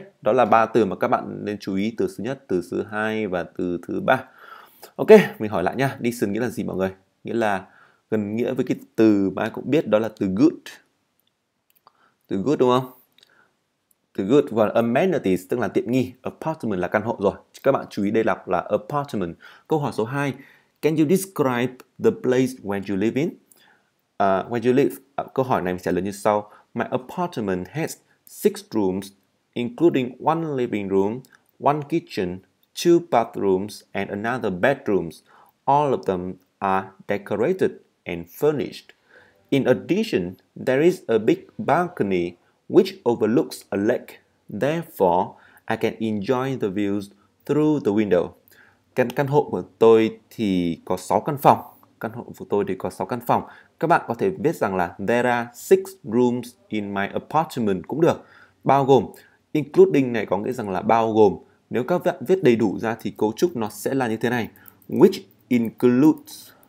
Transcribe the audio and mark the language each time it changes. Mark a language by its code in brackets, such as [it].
[vi] Đó là ba từ mà các bạn nên chú ý. Từ thứ nhất, từ thứ hai và từ thứ ba. Ok. Mình hỏi lại nha. Decent nghĩa là gì mọi người? Nghĩa là gần nghĩa với cái từ mà ai cũng biết, đó là từ good. Từ good đúng không? Từ good và amenities tức là tiện nghi. Apartment là căn hộ rồi. Các bạn chú ý đây đọc là apartment. Câu hỏi số 2. [en] Can you describe the place where you live in? Where you live? [vi] Câu hỏi này mình trả lời như sau. [en] My apartment has 6 rooms, including one living room, one kitchen, two bathrooms, and another bedrooms. All of them are decorated and furnished. In addition, there is a big balcony which overlooks a lake. Therefore, I can enjoy the views through the window. [vi] Căn hộ của tôi thì có 6 căn phòng. Căn hộ của tôi thì có 6 căn phòng. Các bạn có thể biết rằng là [en] there are 6 rooms in my apartment [vi] cũng được. Bao gồm, including này có nghĩa rằng là bao gồm. Nếu các bạn viết đầy đủ ra thì cấu trúc nó sẽ là như thế này. [en] Which includes,